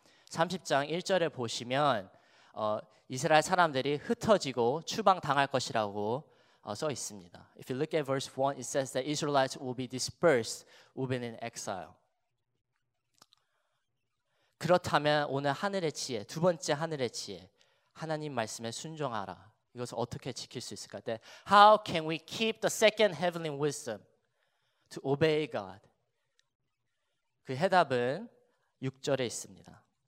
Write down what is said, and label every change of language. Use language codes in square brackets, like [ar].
[ko] 30장 1절에 보시면 이스라엘 사람들이 흩어지고 추방당할 것이라고 써 있습니다. [en] If you look at verse 1, it says that Israelites will be dispersed, will be in exile. [ko] 그렇다면 오늘 하늘의 지혜, 두 번째 하늘의 지혜, 하나님 말씀에 순종하라. 이것을 어떻게 지킬 수 있을까? [en] How can we keep the second heavenly wisdom to obey God? [ko] 그 해답은 6절에 있습니다.